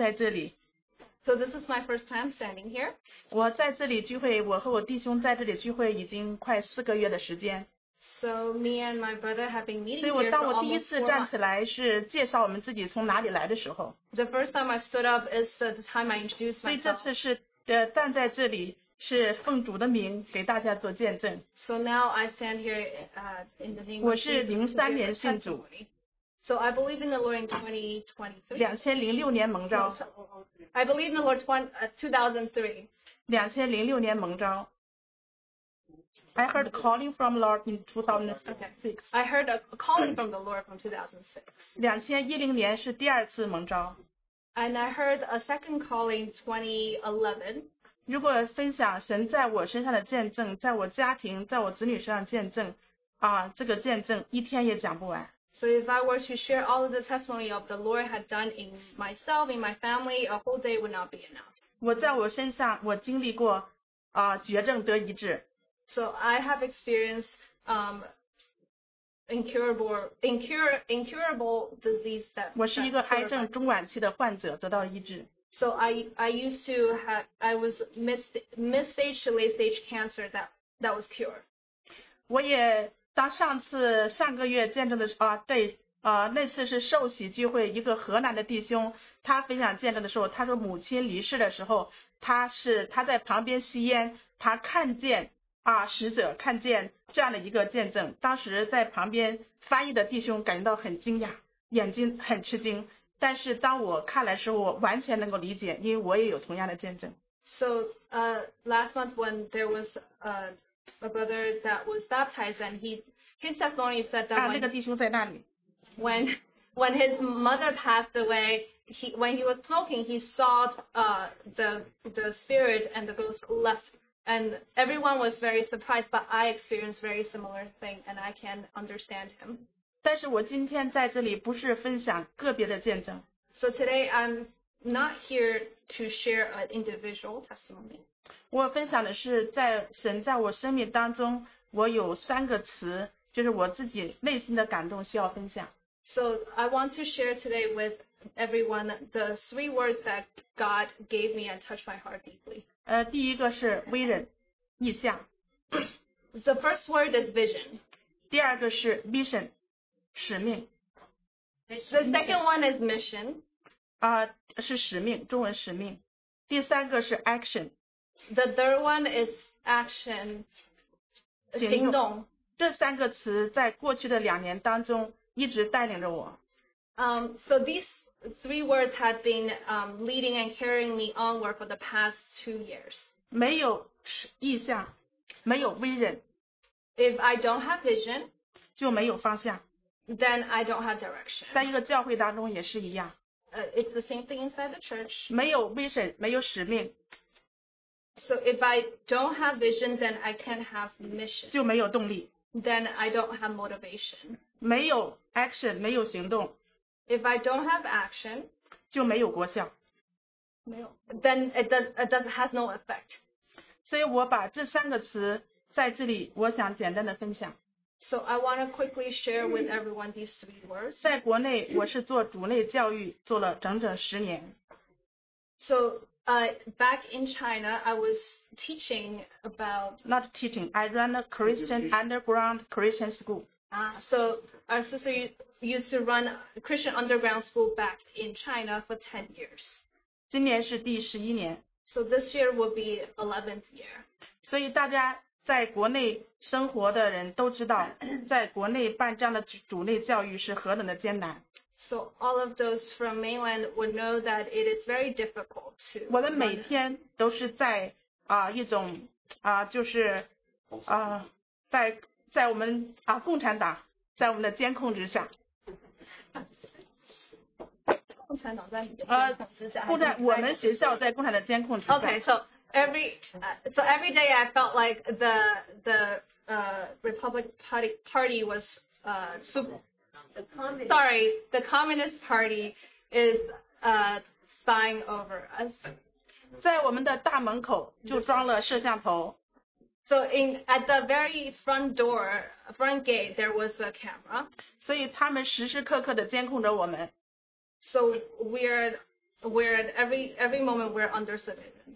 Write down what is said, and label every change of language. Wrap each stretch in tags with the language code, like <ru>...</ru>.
<zh>主啊，我们真的看见你在我们生命当中的作为，主啊，恩典是何等的大！主啊，今天这样短短的时间交在主你的手中，你的名得高举，主啊，弟兄姐妹的心得以建立。谢谢你，奉耶稣基督的名祷告。我是第一次站在这里。</zh> <en>So this is my first time standing here.</en> <zh>我在这里聚会，我和我弟兄在这里聚会已经快4个月的时间。</zh> <en>So me and my brother have been meeting here for almost 4 months. The first time I stood up is the time I introduced myself.</en> <zh>所以这次是站在这里, 是奉主的名给大家做见证。</zh> <en>So now I stand here in the name of Jesus.</en> <zh>2003年信主。</zh> <en>So I believe in the Lord in 2023.</en> <zh>2006年蒙召。</zh> <en>I believe in the Lord 2003.</en> <zh>2006年蒙召。</zh> <en>I heard a calling from the Lord in 2006. Okay. I heard a calling from the Lord from 2006.</en> <zh>2010年是第二次蒙召。</zh> <en>And I heard a second calling 2011.</en> <zh>如果分享神在我身上的见证，在我家庭，在我子女身上见证，啊，这个见证一天也讲不完。 So if I were to share all of the testimony of the Lord had done in myself, in my family, a whole day would not be enough. 我在我身上，我经历过，啊，绝症得医治。 So I have experienced incurable disease that. 我是一个癌症中晚期的患者，得到医治。 So I used to have I was mid stage to late stage cancer that was cured. 我也当上次上个月见证的时候啊，对啊，那次是受洗聚会，一个河南的弟兄他分享见证的时候，他说母亲离世的时候，他在旁边吸烟，他看见。啊，使者看见这样的一个见证，当时在旁边翻译的弟兄感觉到很惊讶，眼睛很吃惊。但是当我看来的时候，我完全能够理解，因为我也有同样的见证。</zh> <en>So, last month when there was a brother that was baptized, and his testimony is that when</en> <zh>啊，那个弟兄在那里。</zh> <en>When his mother passed away, when he was smoking, he saw the spirit and the ghost left. And everyone was very surprised, but I experienced very similar thing, and I can understand him.</en> <zh>但是我今天在这里不是分享个别的见证。</zh> <en>So today I'm not here to share an individual testimony.</en> <zh>我分享的是在神在我生命当中，我有三个词，就是我自己内心的感动需要分享。</zh> <en>So I want to share today with everyone the three words that God gave me and touched my heart deeply.</en> <zh>第一个是微人，意象。</zh> <en>The first word is vision.</en> <zh>第二个是 vision, 使命。</zh> <en>The second one is mission.</en> <zh>是使命，中文使命。第三个是 action.</zh> <en>The third one is action,</en> <zh>行动。这三个词在过去的两年当中一直带领着我。</zh> <en>So these... Three words had been leading and carrying me onward for the past 2 years.</en> <zh>没有意向，没有 vision.</zh> <en>If I don't have vision,</en> <zh>就没有方向。</zh> <en>Then I don't have direction.</en> <zh>在一个教会当中也是一样。</zh> <en>It's the same thing inside the church.</en> <zh>没有 vision, 没有使命。</zh> <en>So if I don't have vision, then I can't have mission.</en> <zh>就没有动力。</zh> <en>Then I don't have motivation.</en> <zh>没有 action, 没有行动。</zh> <en>If I don't have action,</en> <zh>就没有国效。</zh> <en>Then it has no effect.</en> <zh>所以我把这三个词在这里，我想简单的分享。</zh> <en>So I want to quickly share with everyone these three words.</en> <zh>在国内，我是做主内教育，做了整整十年。</zh> <en>So, back in China, I was teaching about. Not teaching. I run a Christian underground Christian school. So our sister. Used to run a Christian underground school back in China for 10 years.</en> <zh>今年是第十一年。</zh> <en>So this year will be 11th year.</en> <zh>所以大家在国内生活的人都知道，在国内办这样的主内教育是何等的艰难。</zh> <en>So all of those from mainland would know that it is very difficult to.</en> <zh>我们每天都是在一种就是在我们共产党在我们的监控之下。共产党在我们学校在共产党的监控之下。</zh> <en>Okay, so every day I felt like the Republic Party was the Communist Party is spying over us.</en> <zh>在我们的大门口就装了摄像头。</zh> <en>So at the very front door, front gate, there was a camera.</en> <zh>所以他们时时刻刻的监控着我们。</zh> <en>So we're at every moment we're under surveillance.</en>